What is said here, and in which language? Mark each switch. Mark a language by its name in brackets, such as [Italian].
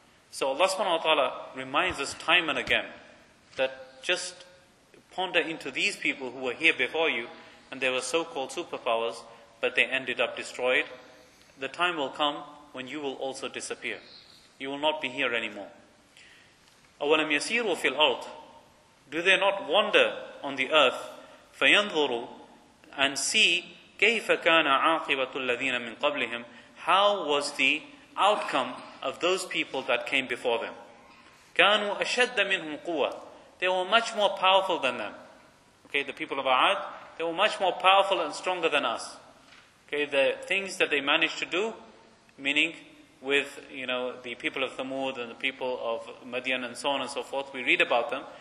[English] So Allah subhanahu wa ta'ala reminds us time and again that just ponder into these people who were here before you, and they were so-called superpowers, but they ended up destroyed. The time will come when you will also disappear. You will not be here anymore. [Arabic] أَوَلَمْ يَسِيرُوا فِي الْأَرْضِ. [English] Do they not wander on the earth? [Arabic] فَيَنْظُرُوا [English] and see, [Arabic] كَيْفَ كَانَ عَاقِبَةُ الَّذِينَ مِنْ قَبْلِهِمْ. [English] How was the outcome of those people that came before them? [Arabic] كَانُوا أَشَدَّ مِنْهُمْ قُوَّةً. [English] They were much more powerful than them. Okay, the people of Aad, they were much more powerful and stronger than us. Okay, the things that they managed to do, meaning with, you know, the people of Thamud and the people of Madian and so on and so forth, we read about them.